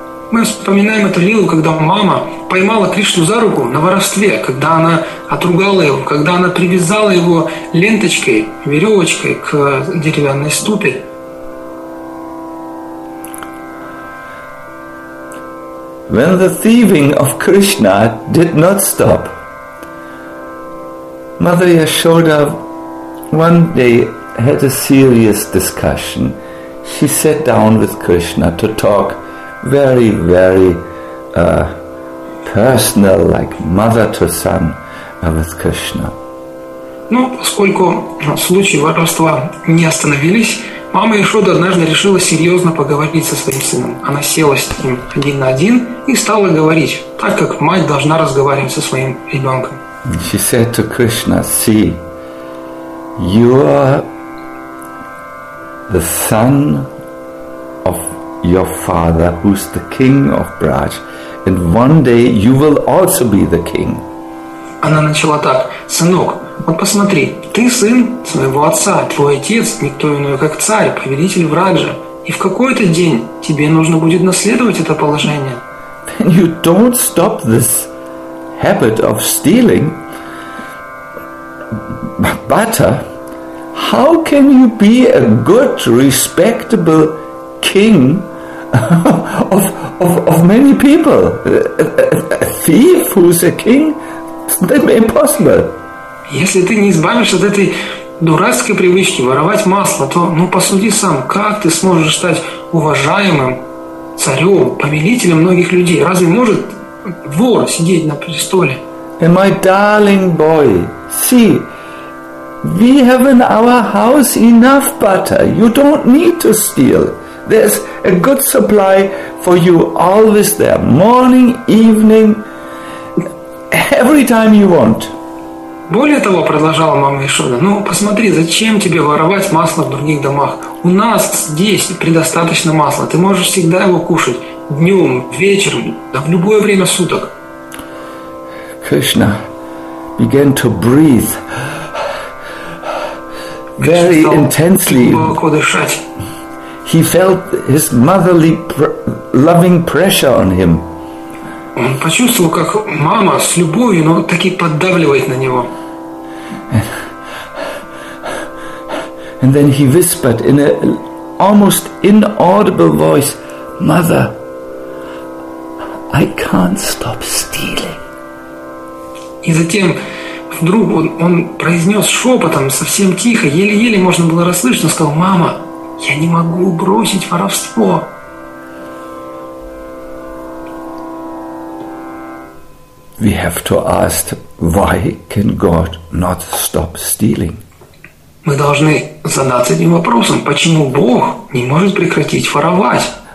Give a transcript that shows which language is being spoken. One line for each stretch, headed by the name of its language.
Russian: Мы вспоминаем эту лилу, когда мама поймала Кришну за руку на воровстве, когда она отругала его, когда она привязала его ленточкой, веревочкой к деревянной ступе.
English: When the thieving of Krishna did not stop, Mother Yashoda one day had a serious discussion. She sat down with Krishna to talk very, very personal, like mother to son, with Krishna.
Russian: Но поскольку случаи воровства не остановились, мама Яшода однажды решила серьезно поговорить со своим сыном. Она села с ним один на один и стала говорить, так как мать должна разговаривать со своим ребенком.
English: She said to Krishna, "See, you are the son of your father, who's the king of Braj, and one day you will also be the king."
Russian: Она начала так: "Сынок, вот посмотри, ты сын своего отца, твой отец никто иной, как царь, повелитель Враджа, и в какой-то день тебе нужно будет наследовать это положение."
English: Then you don't stop this habit of stealing butter. How can you be a good, respectable king of many people? A thief who's a king? It's impossible.
Russian: Если ты не избавишься от этой дурацкой привычки воровать масло, то, ну, посуди сам, как ты сможешь стать уважаемым царем, повелителем многих людей? Разве может вор сидеть на престоле?
English: And my darling boy, see, we have in our house enough butter. You don't need to steal. There's a good supply for you always there, morning, evening, every time you want.
Russian: Более того, продолжала мама Яшода, ну посмотри, зачем тебе воровать масло в других домах? У нас здесь предостаточно масла. Ты можешь всегда его кушать днем, вечером, да в любое время суток.
English: Krishna began to breathe very intensely. He felt his motherly loving pressure on him.
Russian: Он почувствовал, как мама с любовью, но так и поддавливает на него.
English: And then he whispered in an almost inaudible voice, "Mother, I can't stop stealing."
Russian: И затем вдруг он произнес шепотом, совсем тихо, еле-еле можно было расслышать, он сказал: "Мама, я не могу бросить воровство."
English: We have to ask, why can God not stop stealing?
Russian: Мы должны задаться этим вопросом, почему Бог не может прекратить воровать?